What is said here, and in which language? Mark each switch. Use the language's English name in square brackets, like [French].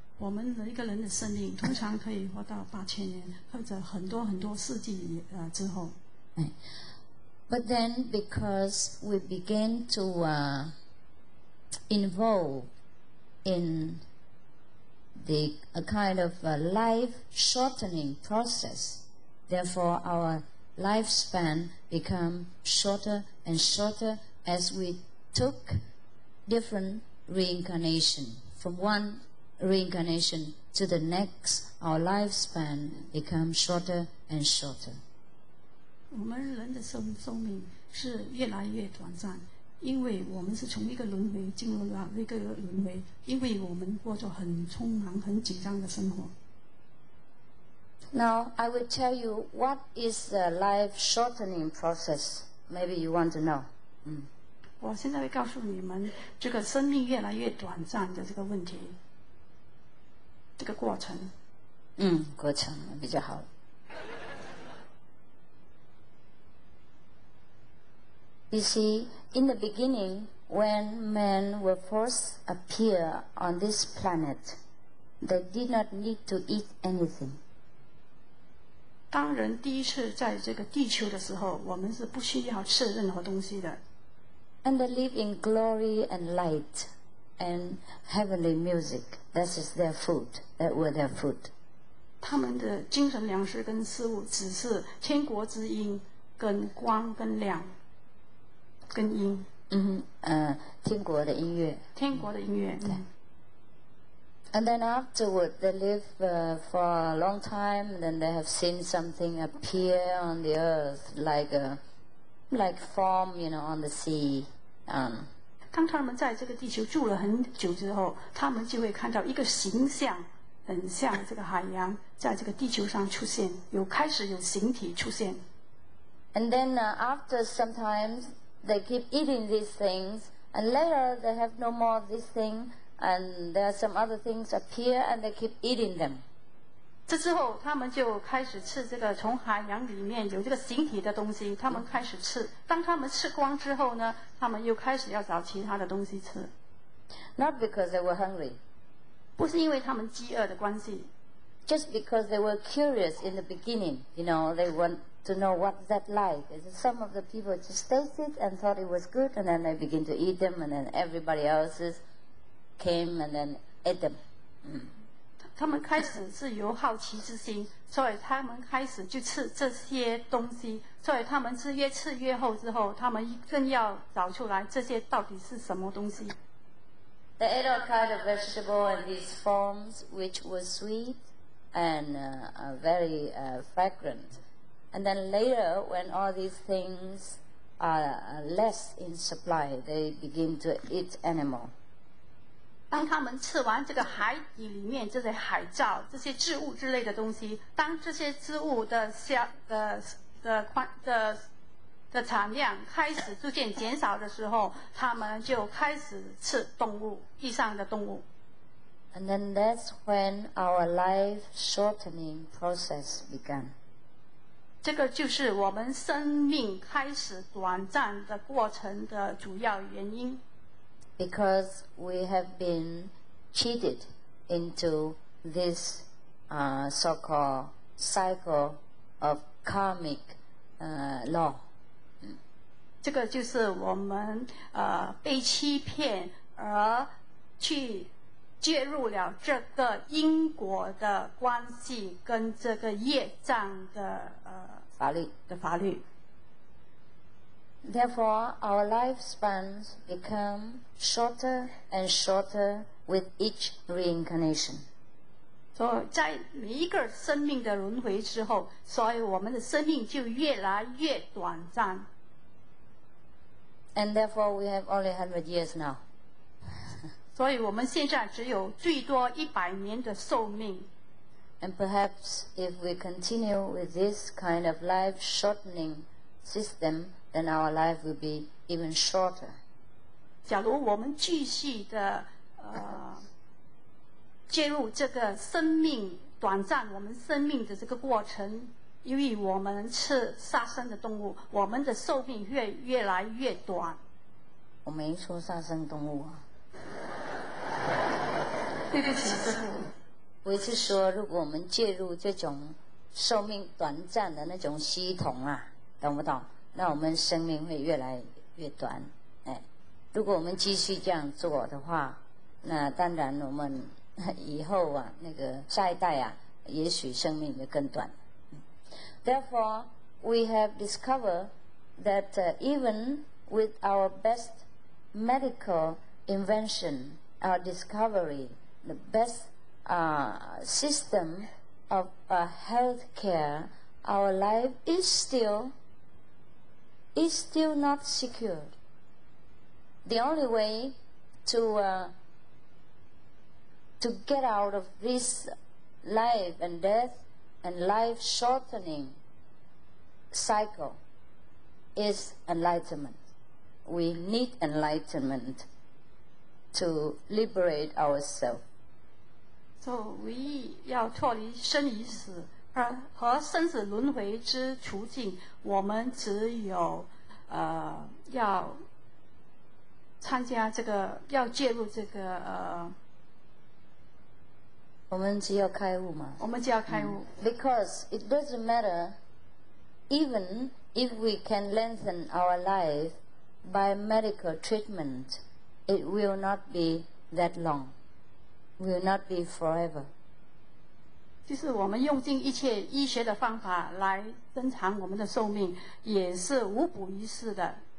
[Chinese] 我们的一个人的生命通常可以活到8000年或者很多很多世纪之后。 [English] But then because we begin to involve in the a kind of a life shortening process, therefore our lifespan become shorter and shorter as we took different reincarnation from oneReincarnation to the next, our lifespan becomes shorter and shorter. [Chinese] 我们人的寿命是越来越短暂，因为我们是从一个轮回进入了一个轮回，因为我们过着很匆忙、很紧张的生活。 [English] Now I will tell you what is the life shortening process. Maybe you want to know. [Chinese] 我现在会告诉你们这个生命越来越短暂的这个问题。这个过程，过程比较好。 [English] You see, in the beginning, when men were first appear on this planet, they did not need to eat anything. [Chinese] 当人第一次在这个地球的时候，我们是不需要吃任何东西的。 [English] And they live in glory and light. And heavenly music, that is their food, that were their food. [Chinese] 他们的精神粮食跟食物只是天国之音跟光跟亮跟音。天国的音乐。天国的音乐。对。 [English] And then afterward, they live for a long time, and then they have seen something appear on the earth, like foam, you know, on the sea. [Chinese] 当他们在这个地球住了很久之后，他们就会看到一个形象，很像这个海洋，在这个地球上出现，有开始有形体出现。 [English] And then after sometimes they keep eating these things, and later they have no more of this thing, and there are some other things appear, and they keep eating them. [Chinese] 这之后，他们就开始吃这个从海洋里面有这个形体的东西，他们开始吃。当他们吃光之后呢？他们又开始要找其他的东西吃。 [English] Not because they were hungry. [Chinese] 不是因为他们饥饿的关系。 [English] Just because they were curious in the beginning, you know, they want to know what that like. Some of the people just taste it and thought it was good, and then they begin to eat them, and then everybody else came and then ate them. [Chinese] 他们开始是有好奇之心，所以他们开始就吃这些东西，所以他们是越吃越厚之后，他们更要找出来这些到底是什么东西。 [English] They ate all kinds of vegetables in these forms, which were sweet and very fragrant. And then later, when all these things are less in supply, they begin to eat animal. [Chinese] 当他们吃完这个海底里面这些海藻、这些植物之类的东西，当这些植物的消的的宽的。的产量开始逐渐减少的时候，他们就开始吃动物，地上的动物。 [English] And then that's when our life shortening process began. [Chinese] 这个就是我们生命开始短暂的过程的主要原因。 [English] Because we have been cheated into this so-called cycle of karmic law. [Chinese] 这个就是我们被欺骗而去介入了这个因果的关系跟这个业障的法律的法律。 [English] Therefore, our lifespans become shorter and shorter with each reincarnation. [Chinese] 所以在每一个生命的轮回之后，所以我们的生命就越来越短暂。 [English] And therefore, we have only 100 years now. [Chinese] 所以我们现在只有最多100年的寿命。 [English] And perhaps if we continue with this kind of life shortening system, then our life will be even shorter. [Chinese] 假如我们继续的介入这个生命短暂我们生命的这个过程。因为我们吃杀生的动物，我们的寿命越来越短。我没说杀生动物啊。对不起，师父。我是说，如果我们介入这种寿命短暂的那种系统啊，懂不懂？那我们生命会越来越短。哎，如果我们继续这样做的话，那当然我们以后啊，那个下一代啊，也许生命就更短。 [English] Therefore, we have discovered that even with our best medical invention, our discovery, the best system of health care, our life is still not secured. The only way to get out of this life and death and life shortening cycle is enlightenment. We need enlightenment to liberate ourselves. So we [Chinese] 要脱离生与死和生死轮回之处境，我们只有要参加这个，要介入这个我们只要开悟嘛，我们只要开悟。 [English] Because it doesn't matter, even if we can lengthen our life by medical treatment, it will not be that long, will not be forever. [Chinese] 就是我们用尽一切医学的方法来增长我们的寿命，也是无补于事的。